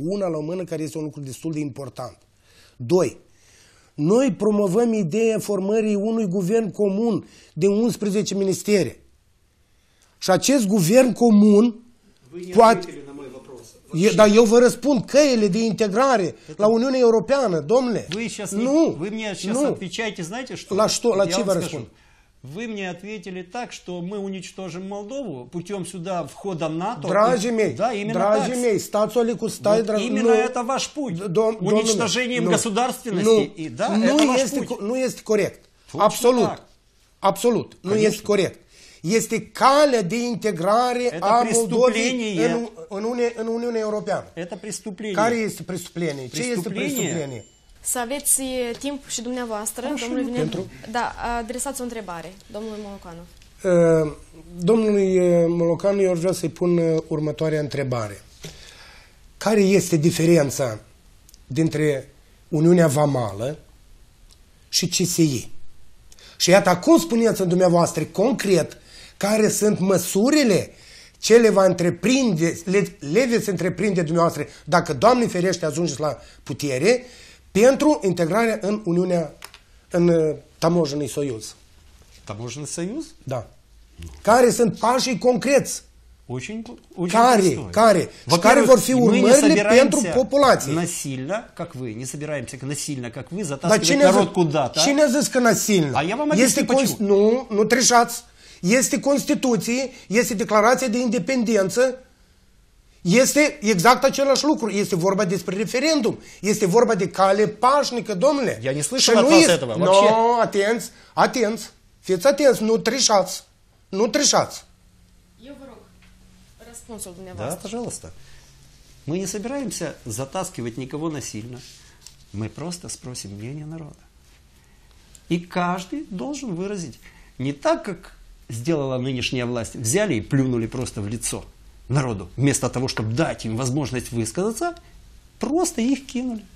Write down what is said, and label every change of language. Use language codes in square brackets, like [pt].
[ro] Una la mână, care este un lucru destul de important. Doi, noi promovăm ideea formării unui guvern comun de 11 ministere. Și acest guvern comun poate... Da, eu vă răspund, căile de integrare la Uniunea Europeană, domnule. [ru] Nu, вы мне сейчас отвечаете, знаете, что? [ro] La что, la ce vă răspund? [ru] Вы мне ответили так, что мы уничтожим Молдову путем сюда входа НАТО. [ro] Dragii mei, да, dragii mei, stați-o licu, stai, dragii [ru] mei. Именно это ваш путь. Уничтожением государственности. [ro] Nu este corect. Absolut. Absolut. Nu este corect. Este calea de integrare a Moldovei în Uniunea Europeană. Este prestupление. Care este prestupление? Ce este prestupление? Să aveți timp și dumneavoastră, domnule Vinescu. Da, adresați o întrebare, domnului Molocanu. Domnului Molocanu, eu vreau să-i pun următoarea întrebare. Care este diferența dintre Uniunea Vamală și CSI? Și iată, acum spuneți în dumneavoastră concret care sunt măsurile ce le va întreprinde, le veți întreprinde dumneavoastră dacă, Doamne ferește, ajungeți la putere pentru integrarea în Uniunea, în Taможенный Союз. [ru] Taможенный Союз? [ro] Da. Care sunt pașii concreți? Care? Și care vor fi urmările pentru populație? [ru] Насильно, как вы, не собираемся насильно, как вы, затаскивать народ куда-то. [ro] Cine a zis că насильно? [ru] А я вам объясню почему. [ro] Nu трешați. Este Constituție, este declarație de independență, este exact același lucru. Este vorba despre referendum. Este vorba de cale pașnică, domnule. [ru] Я не слышал от вас этого вообще. [ro] No, atenți, atenți. Fiți atenți, nu trișați. Nu trișați. Eu vă rog răspunsul dumneavoastră. [ru] Da, пожалуйста. Мы не собираемся затаскивать никого насильно. Мы просто спросим мнение народа. И каждый должен выразить. Не так, как сделала нынешняя власть. Взяли и плюнули просто в лицо народу. Вместо того, чтобы дать им возможность высказаться, просто их кинули.